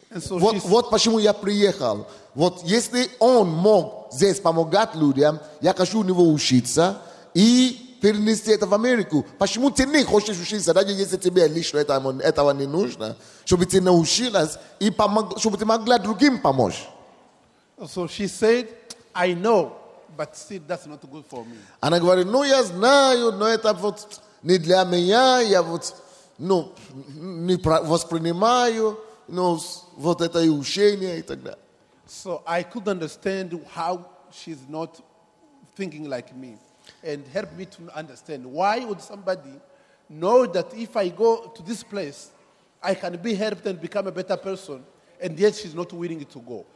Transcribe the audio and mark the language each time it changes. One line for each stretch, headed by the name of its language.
Russian: Вот почему я приехал. Вот если он мог здесь помогать людям, я хочу у него учиться и перенести это в Америку. Почему ты не хочешь учиться, даже если тебе лично этого не нужно, чтобы ты научилась и чтобы ты могла другим помочь?
English: So she said, I know, but still that's not good for me.
Russian: Она говорит, ну я знаю, но это вот не для меня, я вот, ну, не воспринимаю, ну, вот это и учение и так далее.
English: So I could understand how she's not thinking like me. And help me to understand why would somebody know that if I go to this place, I can be helped and become a better person, and yet she's not willing to go.